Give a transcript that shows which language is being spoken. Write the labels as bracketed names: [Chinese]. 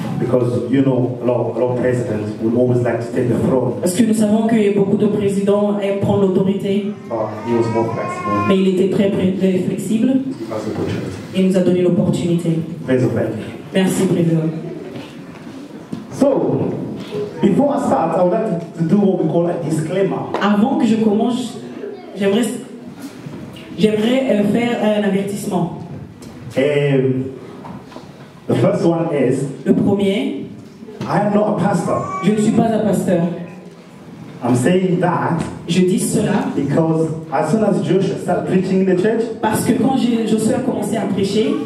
[English] Because you know, a lot of presidents would always like to take the throne. [French] Parce que nous savons que beaucoup de présidents aiment prendre l'autorité. [English] He was more flexible. [French] Mais il était très flexible. Il nous a donné l'opportunité. Merci, président. [English] So, before I start, I would like to do what we call a disclaimer. [French] Avant que je commence, j'aimerais faire un avertissement. [English] The first one is, [French] le premier, [English] I am not a pastor. [French] Je ne suis pas un pasteur. [English] I'm saying that, [French] je dis cela, [English] because as soon as Joshua started preaching in the church, [French] parce que quand Joshua a commencé à prêcher,